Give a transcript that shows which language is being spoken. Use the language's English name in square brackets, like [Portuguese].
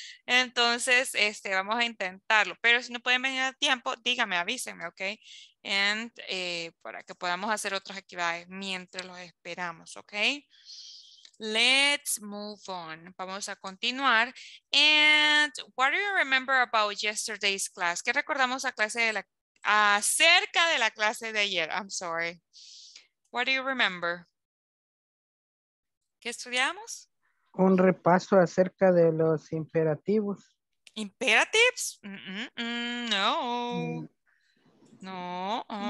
[Spanish] Entonces, vamos a intentarlo, pero si no pueden venir a tiempo, díganme, avísenme, ¿ok? Para que podamos hacer otras actividades mientras los esperamos, ¿ok? [English] Let's move on. [Spanish] Vamos a continuar. [English] And what do you remember about yesterday's class? [Spanish] ¿Qué recordamos acerca de la clase de ayer? [English] I'm sorry. What do you remember? [Spanish] ¿Qué estudiamos? Un repaso acerca de los imperativos. [English] ¿Imperatives? No. No.